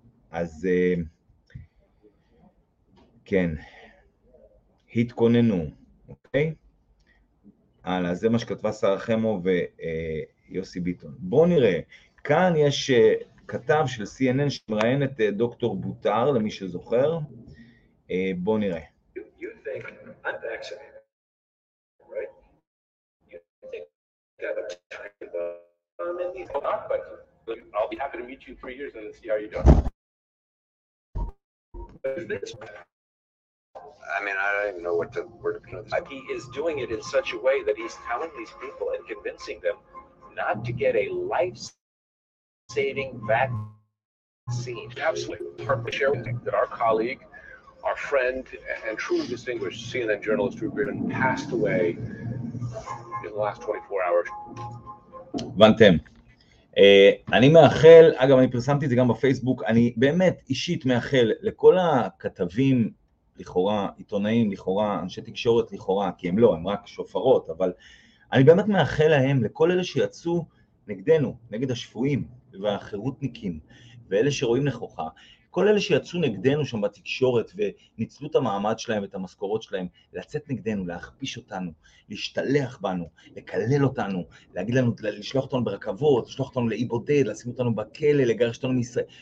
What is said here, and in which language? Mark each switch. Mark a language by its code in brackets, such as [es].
[he] אז כן, התכוננו, אוקיי? הלאה, זה מה שכתבה שרה חמו ויוסי ביטון. בואו נראה. כאן יש כתב של CNN שמראיין את דוקטור בוטר, למי שזוכר. בואו נראה. [en] You think I'm vaccinated, right? You think I have a time bomb in me? I'll be happy to meet you in 3 years and see how you're doing. But this... I mean, I don't even know what the word of peanuts is. He is doing it in such a way that he's telling these people and convincing them not to get a life-saving vaccine. Absolutely. Perfect sharing that our colleague, our friend, and truly distinguished CNN journalist Drew Gooden passed away in the last 24 hours. Vantem. [he] אני מאחל, אגב אני פרסמתי את זה גם בפייסבוק, אני באמת אישית מאחל לכל הכתבים לכאורה, עיתונאים לכאורה, אנשי תקשורת לכאורה, כי הם לא, הם רק שופרות, אבל אני באמת מאחל להם, לכל אלה שיצאו נגדנו, נגד השפויים והחירותניקים ואלה שרואים נכוחה, כל אלה שיצאו נגדנו שם בתקשורת וניצלו את המעמד שלהם ואת המשכורות שלהם, לצאת נגדנו, להכפיש אותנו, להשתלח בנו, לקלל אותנו, להגיד לנו, לשלוח אותנו ברכבות, לשלוח אותנו לאי בודד, לשים אותנו בכלא, לגרש אותנו מישראל.